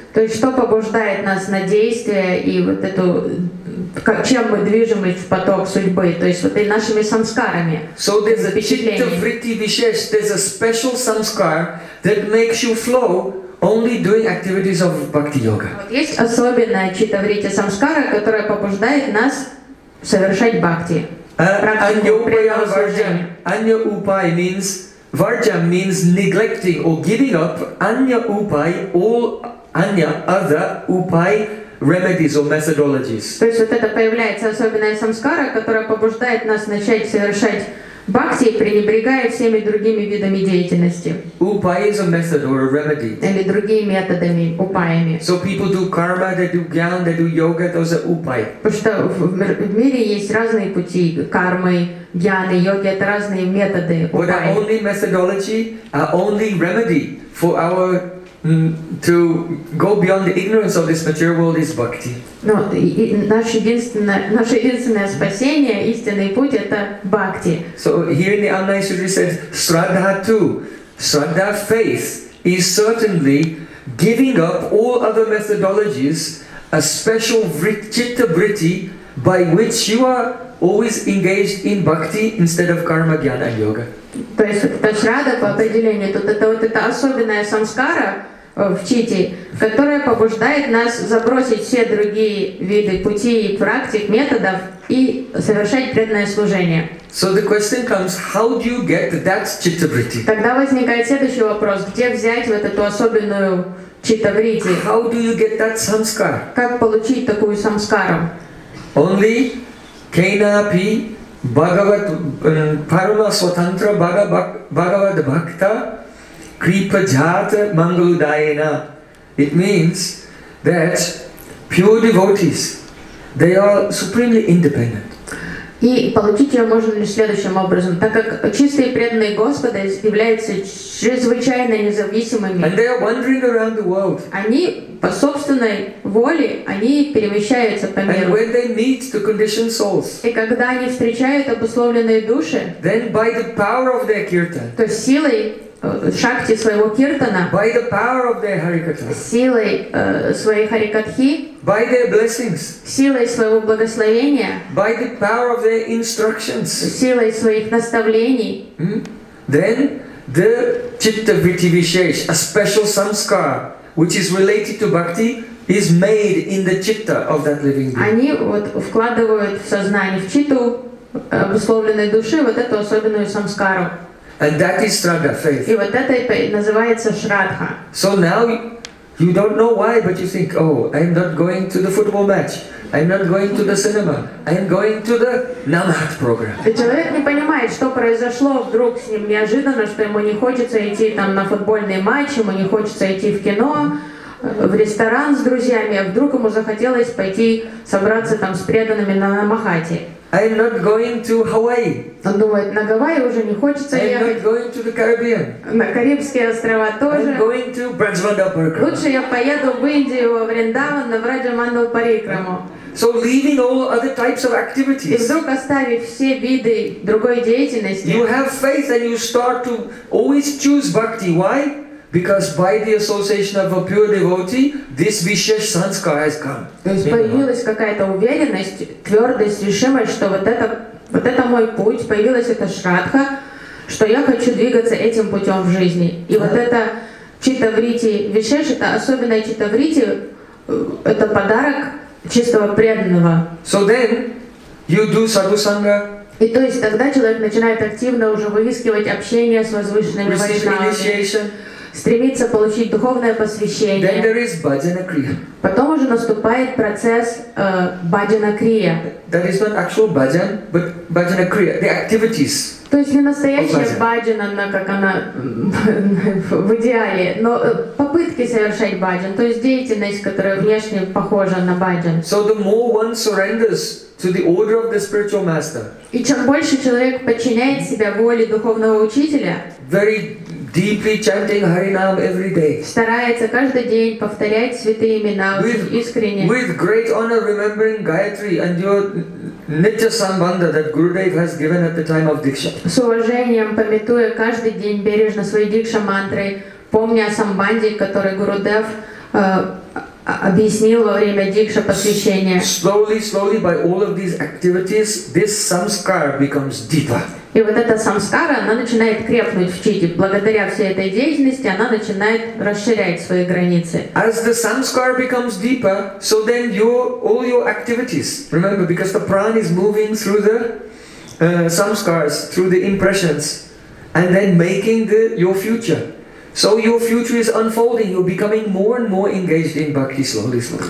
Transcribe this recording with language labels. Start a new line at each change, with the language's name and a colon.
Russian: То есть что побуждает нас на действие и вот эту как, чем мы движемся в поток судьбы, то есть вот и нашими самскарами.
English: So there's a chitta vritti vishesh, there's a special samskar that makes you flow only doing activities of bhakti yoga.
Russian: Есть особенная chitta vritti samskara, которая побуждает нас совершать бхакти.
English: Anya upai means varjam means neglecting or giving up. Anya upai, all anya, other upai remedies or methodologies.
Russian: То есть вот это появляется особенная самскара, которая побуждает нас начать совершать бхакти, пренебрегая всеми другими видами деятельности.
English: Upai is a method or a remedy.
Russian: Или другими методами, упаями.
English: So people do karma, they do gyan, they do yoga, those are upai.
Russian: Потому что в мире есть разные пути кармы, гьяны, йоги, это разные методы, упаи.
English: But our only methodology, our only remedy for our to go beyond the ignorance of this material world is bhakti.
Russian: Но наше единственное спасение, истинный путь, это бхакти.
English: So here in the Amnaya Sutra says, Shraddha too, Shraddha faith is certainly giving up all other methodologies, a special chitta vritti by which you are always engaged in bhakti instead of karma, jnana and yoga.
Russian: То есть это Shraddha по определению, тут это вот эта особенная самскара в чите, которая побуждает нас забросить все другие виды пути и практик, методов и совершать преданное служение.
English: So the question comes, how do you get that chitta vritti?
Russian: Тогда возникает следующий вопрос, где взять вот эту особенную chitta vritti?
English: How do you get that samskara?
Russian: Как получить такую самскару?
Sanskrit: Only kenapi bhagavat parama svatantra bhagavad bhakta Kripa Jhata Mangal Dayena.
English: It means that pure devotees, they are supremely independent.
Russian: И получить ее можно лишь следующим образом, так как чистые преданные Господа являются чрезвычайно независимыми.
English: And they are wandering around the world.
Russian: Они по собственной воле они перемещаются по миру.
English: And when they meet the conditioned souls,
Russian: и когда они встречают обусловленные души,
English: then by the power of their kirtan,
Russian: то есть силой шакти своего киртана,
English: by the power of their harikatha,
Russian: силой своей харикатхи,
English: by their blessings,
Russian: силой своего благословения,
English: by the power of their instructions,
Russian: силой своих наставлений,
English: then the chitta vritti vishesh, a special samskar which is related to bhakti, is made in the chitta of that living being.
Russian: Они вот вкладывают в сознание, в читу обусловленной души вот эту особенную самскару.
English: And that is Shraddha, faith.
Russian: И вот это называется Shraddha.
English: So now you don't know why, but you think, oh, I'm not going to the football match. I'm not going to the cinema. I'm going to the Namahat program.
Russian: И человек не понимает, что произошло вдруг с ним неожиданно, что ему не хочется идти там на футбольный матч, ему не хочется идти в кино, в ресторан с друзьями, а вдруг ему захотелось пойти собраться там с преданными на Намахате.
English: I'm not going to Hawaii.
Russian: Он думает, на Гавайи уже не хочется ехать.
English: I'm not going to the Caribbean.
Russian: На Карибские острова тоже.
English: I'm going to Брадж Мандал Парикрама.
Russian: Лучше я поеду в Индию, во Вриндаван, на Брадж Мандал Парикраму.
English: So leaving all other types of activities.
Russian: И вдруг оставив все виды другой деятельности.
English: You have faith and you start to always choose bhakti. Why? Because by the association of a pure devotee, this vishesh sanskar has come.
Russian: То есть появилась какая-то уверенность, твердость, решимость, что вот это мой путь, появилась эта шрадха, что я хочу двигаться этим путем в жизни. И вот это читаврити вишеш, это особенное читаврити, это подарок чистого преданного.
English: So then you do sadhu sangha.
Russian: И то есть тогда человек начинает активно уже выискивать общение с возвышенными вайшнавами, стремится получить духовное посвящение.
English: Then there is bhajana kriya.
Russian: Потом уже наступает процесс bhajana kriya.
English: That is not actual bhajan, but bhajana kriya, the activities.
Russian: То есть не настоящая баджан, она как она в идеале, но попытки совершать баджан, то есть деятельность, которая внешне похожа на баджан.
English: So the more one surrenders to the order of the spiritual master.
Russian: И чем больше человек подчиняет себя воле духовного учителя.
English: Very deeply chanting Harinam every day.
Russian: Старается каждый день повторять святые имена искренне.
English: With great honor remembering Gayatri and your Nitya Sambandha that Gurudev has given at the time of Diksha.
Russian: С уважением памятуя каждый день бережно свои Дикша мантры, помня о Самбанде, который Гурудев объяснил во время Дикша посвящения.
English: Slowly, slowly, by all of these activities, this samskar becomes deeper.
Russian: И вот эта самскара, она начинает крепнуть в чите. Благодаря всей этой деятельности, она начинает расширять свои границы.
English: As the samskara becomes deeper, so then all your activities, remember, because the prana is moving through the samskaras, through the impressions, and then making your future. So your future is unfolding, you're becoming more and more engaged in bhakti slowly, slowly.